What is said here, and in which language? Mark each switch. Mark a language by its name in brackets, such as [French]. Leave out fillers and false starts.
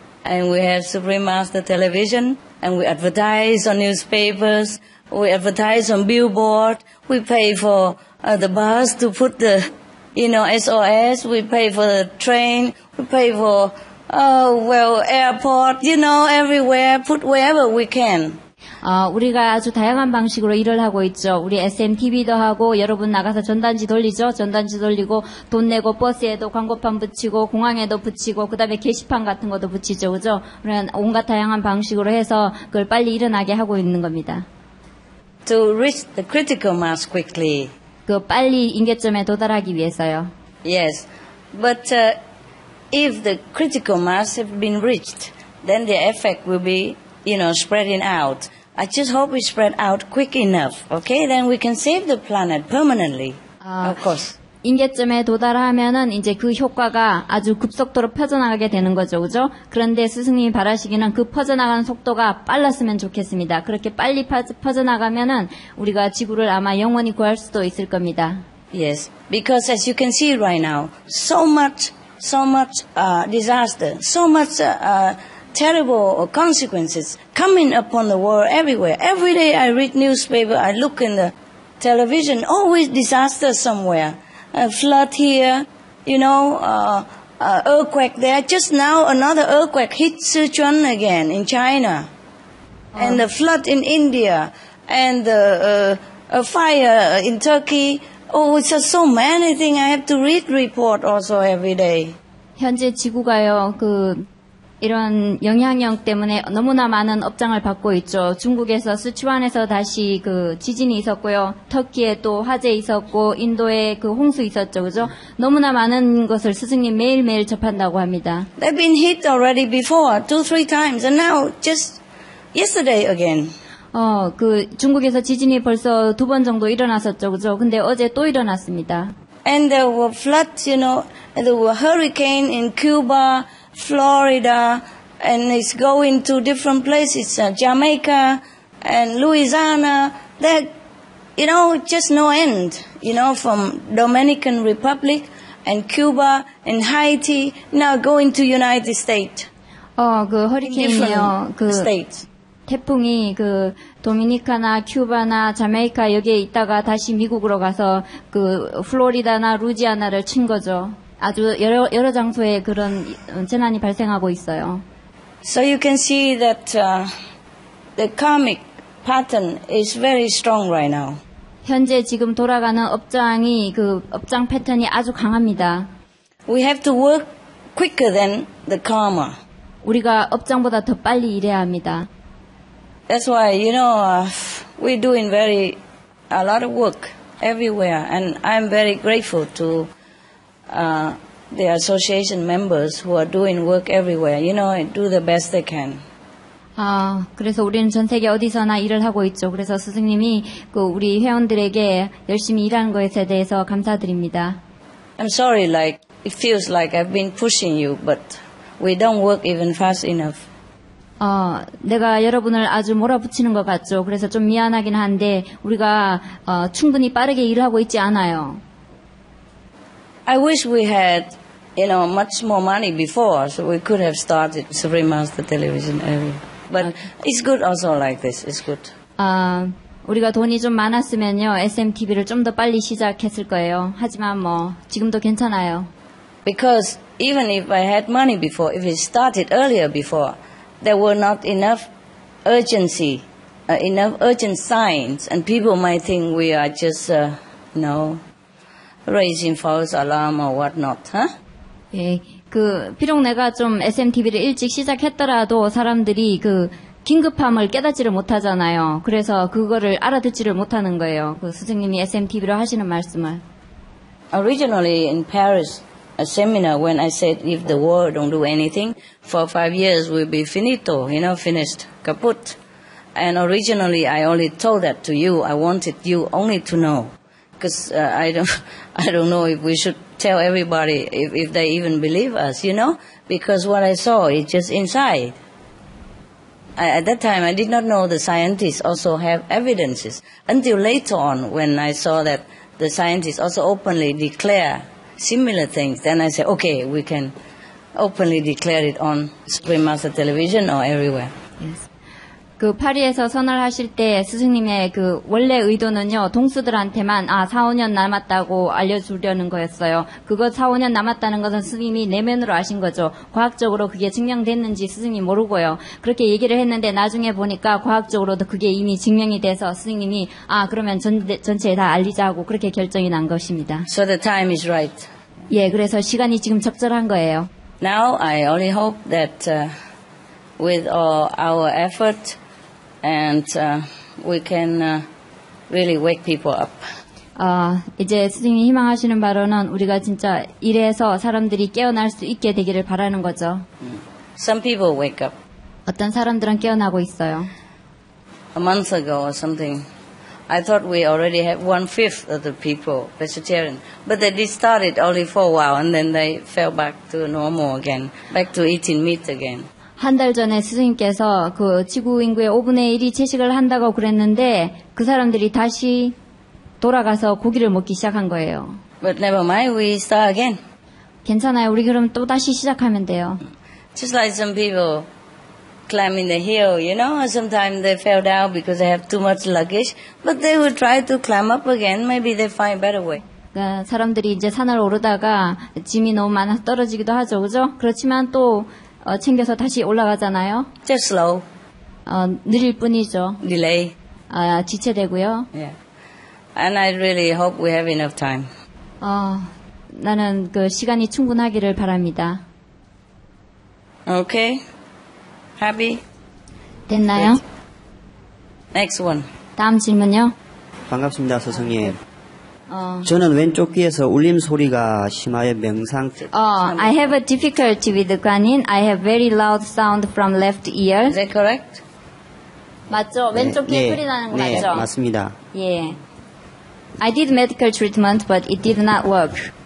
[English] And we have Supreme Master Television, and we advertise on newspapers, we advertise on billboard, we pay for the bus to put the, you know, SOS, we pay for the train, we pay for, airport, you know, everywhere, put wherever we can. [Korean] 우리가 아주 다양한 방식으로 일을 하고 있죠. 우리 SMTV도 하고 여러분 나가서 전단지 돌리죠. 전단지 돌리고 돈 내고 버스에도 광고판 붙이고 공항에도 붙이고 그다음에 게시판 같은 것도 붙이죠. 그죠? 그러면 온갖 다양한 방식으로 해서 그걸 빨리 일어나게 하고 있는 겁니다. [English] To reach the critical mass quickly. [Korean] 그 빨리 임계점에 도달하기 위해서요. [English] Yes. But if the critical mass have been reached, then the effect will be, you know, spreading out. I just hope we spread out quick enough. Okay, then we can save the planet permanently. Of course. [Korean] 임계점에 도달하면은 이제 그 효과가 아주 급속도로 퍼져나가게 되는 거죠, 그죠? 그런데 스승님이 바라시기는 그 퍼져나가는 속도가 빨랐으면 좋겠습니다. 그렇게 빨리 퍼져나가면은 우리가 지구를 아마 영원히 구할 수도 있을 겁니다. [English] Yes, because as you can see right now, so much disaster, so much. Terrible consequences coming upon the world everywhere. Every day I read newspaper, I look in the television, always disaster somewhere. A flood here, you know, earthquake there. Just now another earthquake hit Sichuan again in China. And the flood in India and a fire in Turkey. Oh, it's just so many things. I have to read report also every day. [Korean] 현재 지구가요, 그 이런 영향력 때문에 너무나 많은 업장을 받고 있죠. 중국에서 스치완에서 다시 그 지진이 있었고요. 터키에 또 화재 있었고 인도에 그 홍수 있었죠. 그죠? 너무나 많은 것을 스승님 매일매일 접한다고 합니다. [English] They've been hit already before 2-3 times and now just yesterday again. [Korean] 그 중국에서 지진이 벌써 두 번 정도 일어났었죠. 그죠? 근데 어제 또 일어났습니다. [English] And there were floods, you know, the hurricane in Cuba, Florida, and it's going to different places, Jamaica and Louisiana. They're, you know, just no end, you know, from Dominican Republic and Cuba and Haiti, now going to United States. [Korean] 그 허리케인이요. 그 states. 태풍이 그 도미니카나 큐바나 자메이카 여기에 있다가 다시 미국으로 가서 그 플로리다나 루지아나를 친 거죠. 아주 여러 장소에 그런 재난이 발생하고 있어요. [English] So you can see that the karmic pattern is very strong right now. [Korean] 현재 지금 돌아가는 업장이 그 업장 패턴이 아주 강합니다. [English] We have to work quicker than the karma. [Korean] 우리가 업장보다 더 빨리 일해야 합니다. [English] That's why, you know, we doing very a lot of work everywhere, and I'm very grateful to the association members who are doing work everywhere. You know, do the best they can. [Korean] 아, 그래서 우리는 전 세계 어디서나 일을 하고 있죠. 그래서 스승님이 그 우리 회원들에게 열심히 일하는 것에 대해서 감사드립니다. [English] I'm sorry, like it feels like I've been pushing you, but we don't work even fast enough. [Korean] 내가 여러분을 아주 몰아붙이는 것 같죠. 그래서 좀 미안하긴 한데 우리가 충분히 빠르게 일하고 있지 않아요. [English] I wish we had, you know, much more money before, so we could have started Supreme Master Television earlier. But it's good also like this. It's good. [Korean] 우리가 돈이 좀 많았으면요, SMTV를 좀 더 빨리 시작했을 거예요. 하지만 뭐 지금도 괜찮아요. [English] Because even if I had money before, if it started earlier before, there were not enough urgency, enough urgent signs, and people might think we are just, you know, raising false alarm or whatnot, huh? [Korean] 예, 그 비록 내가 좀 SMTV를 일찍 시작했더라도 사람들이 그 긴급함을 깨닫지를 못하잖아요. 그래서 그거를 알아듣지를 못하는 거예요. 그 스승님이 SMTV로 하시는 말씀을. [English] Originally in Paris. A seminar when I said if the world don't do anything for 5 years we'll be finito, you know, finished, kaput. And originally I only told that to you. I wanted you only to know, because I don't know if we should tell everybody if they even believe us, you know, because what I saw is just inside. At that time I did not know the scientists also have evidences until later on when I saw that the scientists also openly declare similar things, then I say, okay, we can openly declare it on Supreme Master Television or everywhere. Yes. [Korean] 그 파리에서 선언을 하실 때 스승님의 그 원래 의도는요, 동수들한테만 아, 4, 5년 남았다고 알려주려는 거였어요. 그거 4, 5년 남았다는 것은 스승님이 내면으로 아신 거죠. 과학적으로 그게 증명됐는지 스승님 모르고요. 그렇게 얘기를 했는데 나중에 보니까 과학적으로도 그게 이미 증명이 돼서 스승님이 아, 그러면 전체에 다 알리자고 그렇게 결정이 난 것입니다. [English] So the time is right. [Korean] 예, 그래서 시간이 지금 적절한 거예요. [English] Now I only hope that with our effort, and we can really wake people up. [Korean] 이제 스승님이 희망하시는 바로는 우리가 진짜 일해서 사람들이 깨어날 수 있게 되기를 바라는 거죠. [English] Some people wake up. [Korean] 어떤 사람들은 깨어나고 있어요. [English] A month ago or something, I thought we already had 1/5 of the people vegetarian, but they did start it only for a while, and then they fell back to normal again, back to eating meat again. [Korean] 한 달 전에 스승님께서 그 지구 인구의 5분의 1이 채식을 한다고 그랬는데 그 사람들이 다시 돌아가서 고기를 먹기 시작한 거예요. [English] But never mind, we start again. [Korean] 괜찮아요. 우리 그럼 또 다시 시작하면 돼요. [English] Just like some people climbing the hill, you know, sometimes they fell down because they have too much luggage, but they will try to climb up again. Maybe they find a better way. [Korean] 사람들이 이제 산을 오르다가 짐이 너무 많아서 떨어지기도 하죠, 그죠? 그렇지만 또 챙겨서 다시 올라가잖아요. [English] Just slow. [Korean] 느릴 뿐이죠. [English] Delay. [Korean] 지체되고요. [English] Yeah. And I really hope we have enough time. [Korean] 나는 그 시간이 충분하기를 바랍니다. [English] Okay. Happy. [Korean] 됐나요? [English] Next one. [Korean] 다음 질문요. 반갑습니다, 스승님. 저는 왼쪽 귀에서 울림 소리가 심하여 명상. [English] I have a difficulty with the Guanyin. I have very loud sound from left ear. Is that correct? [Korean] 맞죠. 네, 왼쪽 귀에 네, 소리 나는 거 네, 맞죠? 네, 맞습니다. [English] 예. Yeah. I did medical treatment, but it did not work.